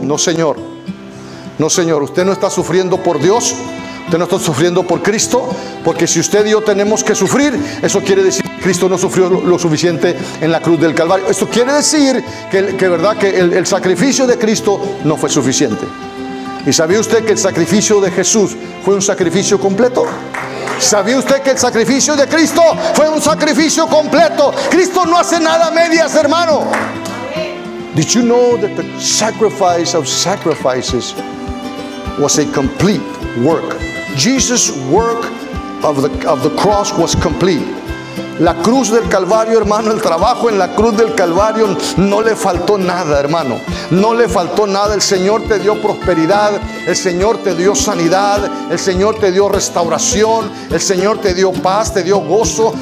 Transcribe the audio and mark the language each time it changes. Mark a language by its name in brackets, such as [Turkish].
[Spanish] No, Señor, no, Señor, usted no está sufriendo por Dios, usted no está sufriendo por Cristo, porque si usted y yo tenemos que sufrir, eso quiere decir que Cristo no sufrió lo suficiente en la cruz del Calvario. Esto quiere decir que verdad que el sacrificio de Cristo no fue suficiente. ¿Y sabía usted que el sacrificio de Jesús fue un sacrificio completo? ¿Sabía usted que el sacrificio de Cristo fue un sacrificio completo? Cristo no hace nada medias, hermano. [English] Did you know that the sacrifice of sacrifices was a complete work? Jesus' work of the cross was complete. [Spanish] La cruz del Calvario, hermano, el trabajo en la cruz del Calvario, no le faltó nada, hermano. No le faltó nada. El Señor te dio prosperidad, el Señor te dio sanidad, el Señor te dio restauración, el Señor te dio paz, te dio gozo.